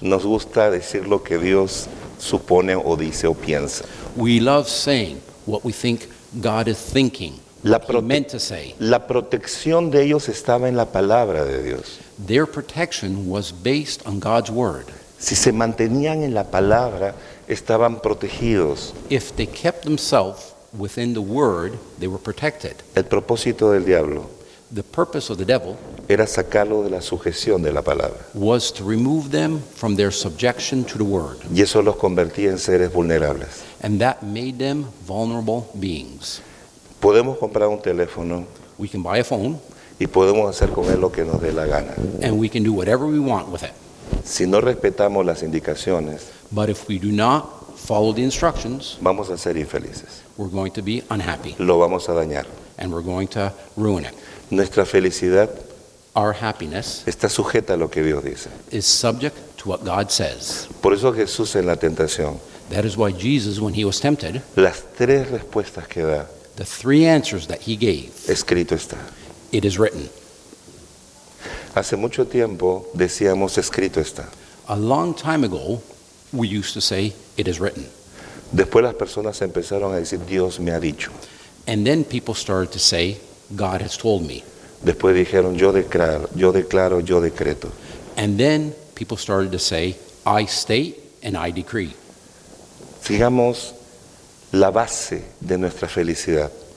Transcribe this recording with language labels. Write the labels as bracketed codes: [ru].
[es] Nos gusta decir lo que Dios supone o dice o piensa. [en] We love saying what we think God is thinking. [es] La protección de ellos estaba en la palabra de Dios. [en] Their protection was based on God's word. [es] Si se mantenían en la palabra, estaban protegidos. [en] If they kept themselves within the word, they were protected. [es] El propósito del diablo, [en] the purpose of the devil, [es] era sacarlo de la sujeción de la palabra. [en] Was to remove them from their subjection to the word. [es] Y eso los convertía en seres vulnerables. [en] And that made them vulnerable beings. [es] Podemos comprar un teléfono. [en] We can buy a phone. [es] Y podemos hacer con él lo que nos dé la gana. [en] And we can do whatever we want with it. [es] Si no respetamos las indicaciones, [en] but if we do not follow the instructions, [es] vamos a ser infelices. [en] We're going to be unhappy. [es] Lo vamos a dañar. [en] And we're going to ruin it. [es] Nuestra felicidad, [en] our happiness, [es] está sujeta a lo que Dios dice. [en] Is subject to what God says. [es] Por eso Jesús en la tentación, [en] that is why Jesus, when he was tempted, [es] las tres respuestas que da, [en] the three answers that he gave, [es] escrito está. [en] It is written. [es] Hace mucho tiempo decíamos, escrito está. [en] A long time ago, we used to say, it is written. [es] Después las personas empezaron a decir, Dios me ha dicho. [en] And then people started to say, God has told me. [es] Después dijeron, yo declaro, yo decreto. [en] And then people started to say, I state and I decree. [es] Sigamos la base de nuestra felicidad.